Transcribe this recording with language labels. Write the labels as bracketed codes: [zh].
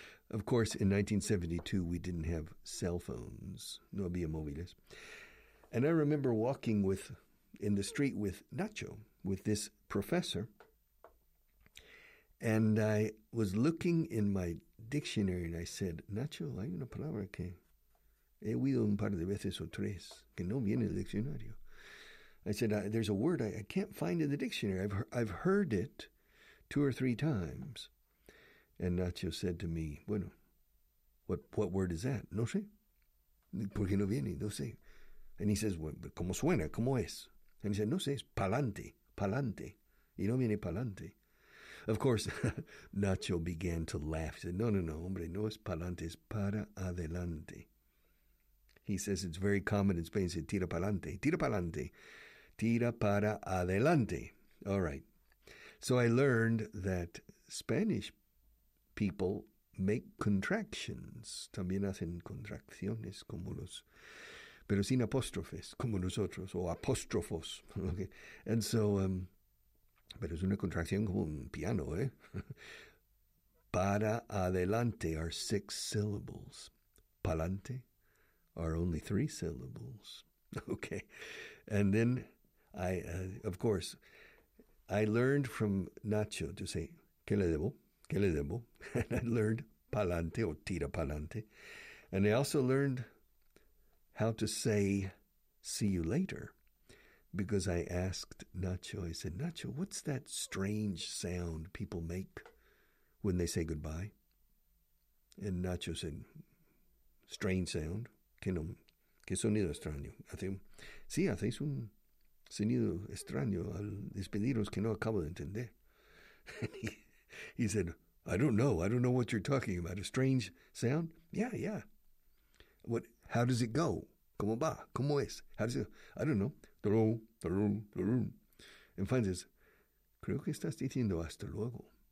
[en] Of course, in 1972, we didn't have cell phones. [es] No había móviles. [en] And I remember walking in the street with Nacho, with this professor. And I was looking in my dictionary and I said, Nacho, [es] hay una palabra que He oído un par de veces o tres que no viene del diccionario. [en] I said, there's a word I can't find in the dictionary. I've heard it two or three times. And Nacho said to me, bueno, what word is that? [es] No sé. ¿Por qué no viene? No sé. [en] And he says, well, [es] ¿cómo suena? ¿Cómo es? [en] And he said, [es] no sé, es palante, palante. Y no viene palante. [en] Of course, Nacho began to laugh. He said, [es] no, hombre, no es palante, es para adelante. [en] He says it's very common in Spain. He said, [es] tira pa'lante, tira pa'lante, tira para adelante. [en] All right. So I learned that Spanish people make contractions. [es] También hacen contracciones como los, pero sin apóstrofes, como nosotros, o apóstrofos. [en] Okay. And so, [es] pero es una contracción como un piano, Para adelante [en] are six syllables. Pa'lante are only three syllables. Okay. And then I, of course, I learned from Nacho to say, [es] ¿qué le debo? ¿Qué le debo? [en] And I learned pa'lante or tira pa'lante. And I also learned how to say, see you later. Because I asked Nacho, I said, Nacho, what's that strange sound people make when they say goodbye? And Nacho said, strange sound. [es] ¿Qué sonido extraño? [en] Sí, hacéis un sonido extraño al despediros que no acabo de entender. He said, I don't know what you're talking about. A strange sound? Yeah. What? How does it go? [es] ¿Cómo va? ¿Cómo es? [en] How does it go? I don't know. And finally says, [es] creo que estás diciendo hasta luego.